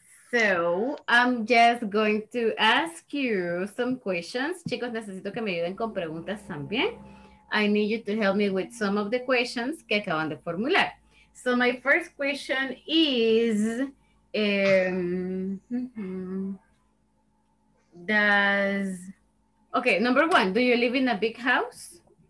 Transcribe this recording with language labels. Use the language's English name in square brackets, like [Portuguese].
[English] So, I'm just going to ask you some questions. [Spanish] Chicos, necesito que me ayuden con preguntas también. [English] I need you to help me with some of the questions [Spanish] que acaban de formular. [English] So my first question is, number one, do you live in a big house?